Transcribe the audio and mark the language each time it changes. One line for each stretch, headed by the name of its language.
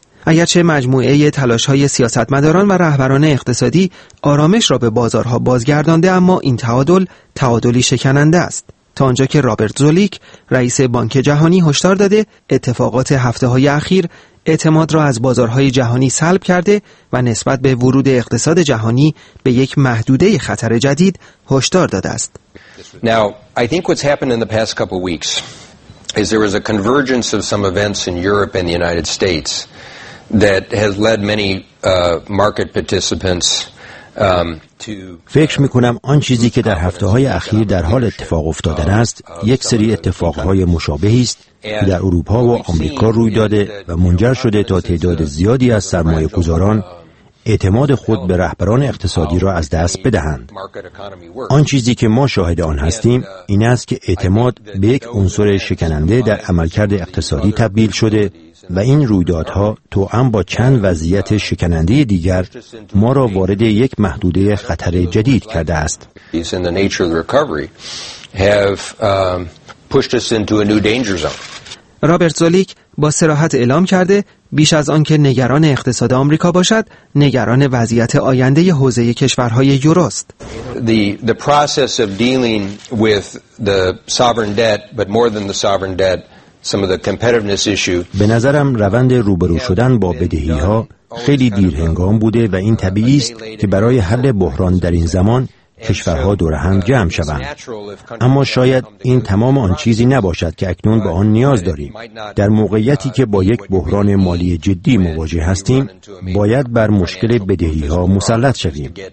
Persian: اگرچه مجموعه تلاش‌های سیاستمداران و رهبران اقتصادی آرامش را به بازارها بازگردانده، اما این تعادل تعادلی شکننده است. تا آنجا که رابرت زولیک رئیس بانک جهانی هشدار داده، اتفاقات هفته‌های اخیر اعتماد را از بازارهای جهانی سلب کرده و نسبت به ورود اقتصاد جهانی به یک محدوده خطر جدید هشدار داده است.
English: Now, I think what's happened in the past couple weeks is there was a convergence of some events in Europe and the United States that has led many market participants
Persian: فکر می‌کنم آن چیزی که در هفته‌های اخیر در حال اتفاق افتادن است یک سری اتفاق‌های مشابهی است که در اروپا و آمریکا روی داده و منجر شده تا تعداد زیادی از سرمایه‌گذاران اعتماد خود به رهبران اقتصادی را از دست بدهند. آن چیزی که ما شاهد آن هستیم این است که اعتماد به یک عنصر شکننده در عملکرد اقتصادی تبدیل شده و این رویدادها توأم با چند وضعیت شکننده دیگر ما را وارد یک محدوده خطر جدید کرده است. رابرت زولیک با صراحت اعلام کرده بیش از آن که نگران اقتصاد آمریکا باشد، نگران وضعیت آینده حوزه کشورهای یورو است.
English: The process of dealing with the sovereign debt, but more than the sovereign debt, some of the competitiveness issue.
Persian: به نظرم روند روبرو شدن با بدهی‌ها خیلی دیرهنگام بوده و این طبیعی است که برای حل بحران در این زمان کشورها دور هم جمع شوند. اما شاید این تمام آن چیزی نباشد که اکنون به آن نیاز داریم. در موقعیتی که با یک بحران مالی جدی مواجه هستیم، باید بر مشکل بدهی ها مسلط شویم.